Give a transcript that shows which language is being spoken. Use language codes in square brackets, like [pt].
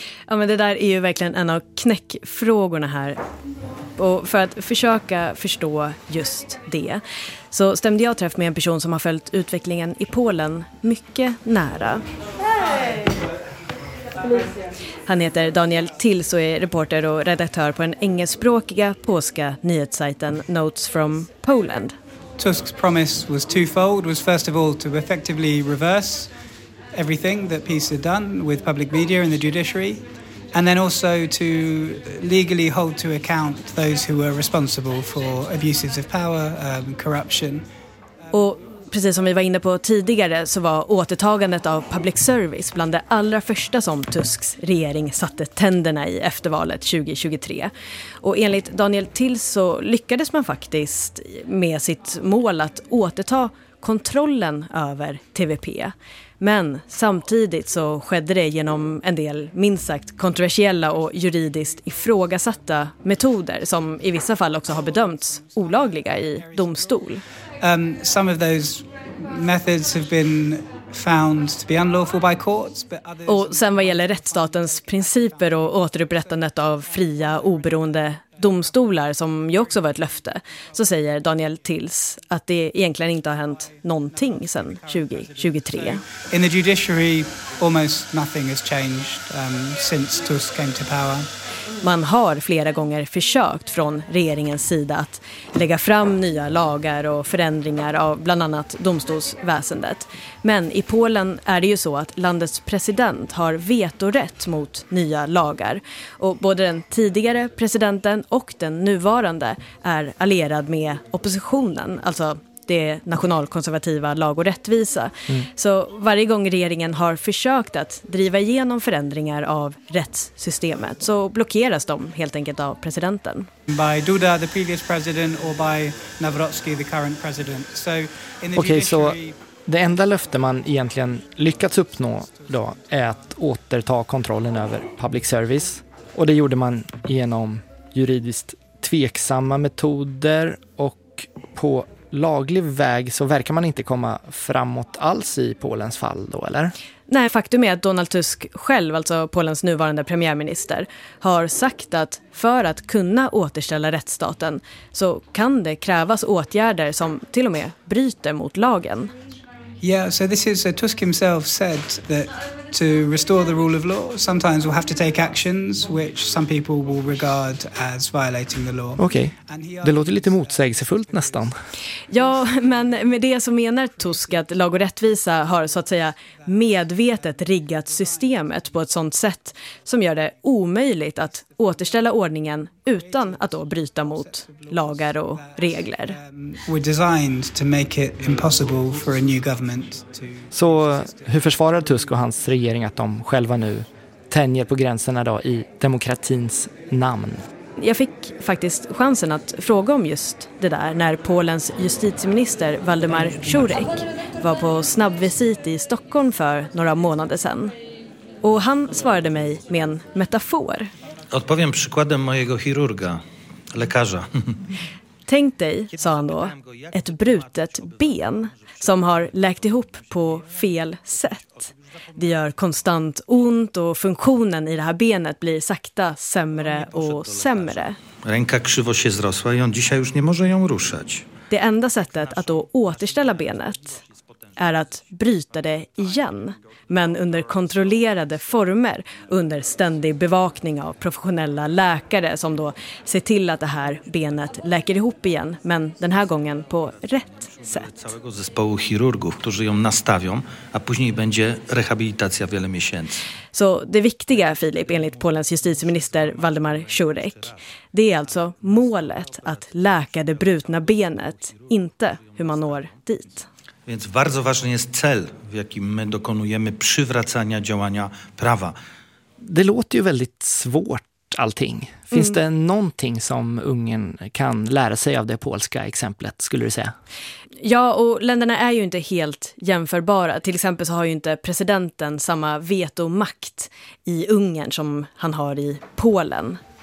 [sv] Ja, men det där är ju verkligen en av knäckfrågorna här. Och för att försöka förstå just det så stämde jag träff med en person som har följt utvecklingen i Polen mycket nära. Han heter Daniel Tills och är reporter och redaktör på den engelskspråkiga polska nyhetssajten Notes from Poland. [en] Tusk's promise was twofold. Was first of all to effectively reverse everything that peace had done with public media and the judiciary, and then also to legally hold to account those who were responsible for abuses of power, corruption. [sv] Och precis som vi var inne på tidigare så var återtagandet av public service bland det allra första som Tusks regering satte tänderna i efter valet 2023. Och enligt Daniel Tills så lyckades man faktiskt med sitt mål att återta kontrollen över TVP. Men samtidigt så skedde det genom en del minst sagt kontroversiella och juridiskt ifrågasatta metoder som i vissa fall också har bedömts olagliga i domstol. [en] Some of those methods have been found to be unlawful by courts, but others. [sv] Och sen vad gäller rättsstatens principer och återupprättandet av fria oberoende domstolar som ju också var ett löfte, så säger Daniel Tills att det egentligen inte har hänt någonting sen 2023. [en] In the judiciary, almost nothing has changed since Tusk came to power. [sv] Man har flera gånger försökt från regeringens sida att lägga fram nya lagar och förändringar av bland annat domstolsväsendet. Men i Polen är det ju så att landets president har vetorätt mot nya lagar. Och både den tidigare presidenten och den nuvarande är allierad med oppositionen, alltså det nationalkonservativa Lag och rättvisa. Så varje gång regeringen har försökt att driva igenom förändringar av rättssystemet så blockeras de helt enkelt av presidenten. [en] By Duda, the previous president, or by Nawrocki, the current president. So in the okay, judiciary. [sv] Det enda löfte man egentligen lyckats uppnå då är att återta kontrollen över public service. Och det gjorde man genom juridiskt tveksamma metoder och på laglig väg så verkar man inte komma framåt alls i Polens fall då, eller? Nej, faktum är att Donald Tusk själv, alltså Polens nuvarande premiärminister, har sagt att för att kunna återställa rättsstaten så kan det krävas åtgärder som till och med bryter mot lagen. [en] Yeah, so this is Tusk himself said that to restore the rule of law, sometimes we'll have to take actions which some people will regard as violating the law. [sv] Okej, det låter lite motsägelsefullt nästan. Ja, men med det så menar Tusk att lag och rättvisa har så att säga medvetet riggat systemet på ett sånt sätt som gör det omöjligt att återställa ordningen utan att då bryta mot lagar och regler. [en] We're designed to make it impossible for a new government to. [sv] Så hur försvarar Tusk och hans regering att de själva nu tänjer på gränserna då i demokratins namn? Jag fick faktiskt chansen att fråga om just det där när Polens justitieminister Waldemar Czurek var på snabbvisit i Stockholm för några månader sedan. Och han svarade mig med en metafor. [pl] Odpowiem przykładem mojego chirurga, lekarza. [sv] Tänk dig, sa han då, ett brutet ben som har läkt ihop på fel sätt. Det gör konstant ont och funktionen i det här benet blir sakta sämre och sämre. [pl] Ręka krzywo się zrosła i on dzisiaj już nie może ją ruszać. [sv] Det enda sättet att då återställa benet är att bryta det igen, men under kontrollerade former, under ständig bevakning av professionella läkare som då ser till att det här benet läker ihop igen, men den här gången på rätt sätt. [pl] Zespołu chirurgów, którzy ją nastawią, a później będzie rehabilitacja wiele miesięcy. [sv] Så det viktiga, Filip, enligt Polens justitieminister Waldemar Czurek, det är alltså målet att läka det brutna benet, inte hur man når dit. [pl] Więc bardzo ważny jest cel, w jakim my dokonujemy przywracania działania prawa. [sv] Det låter ju väldigt svårt allting. Finns det någonting som Ungern kan lära sig av det polska exemplet, skulle du säga? Ja, och länderna är ju inte helt jämförbara. Till exempel så har ju inte presidenten samma vetomakt i Ungern som han har i Polen.